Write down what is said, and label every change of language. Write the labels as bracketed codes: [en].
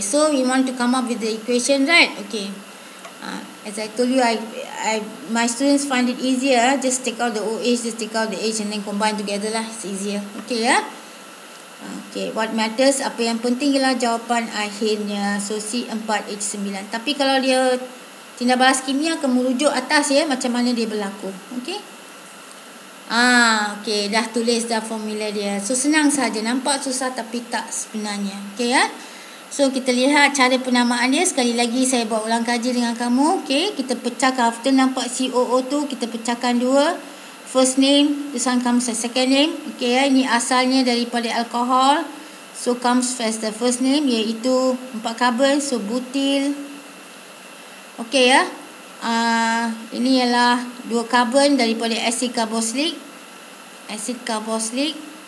[en] So, we want to come up with the equation, right? Okay. As I told you, my students find it easier. Just take out the OH, just take out the H and then combine together lah. It's easier. Okay ya. Okay, what matters, [ms] apa yang penting ialah jawapan akhirnya. So, C4H9. Tapi kalau dia tindak balas kimia, akan merujuk atas ya, macam mana dia berlaku. Okay. Okay, dah tulis dah formula dia. So, senang saja. Nampak susah tapi tak sebenarnya. Okay ya. So kita lihat cara penamaan dia. Sekali lagi saya buat ulang kaji dengan kamu. Okay, kita pecahkan after nampak COO tu, kita pecahkan dua. [en] First name, this one comes as second name. Okay, [ms] ini asalnya daripada alcohol. [en] So comes as the first name, iaitu 4 carbon. So butyl. Okay ya. [ms] Ini ialah 2 carbon daripada acid carboxylic. Acid carboxylic.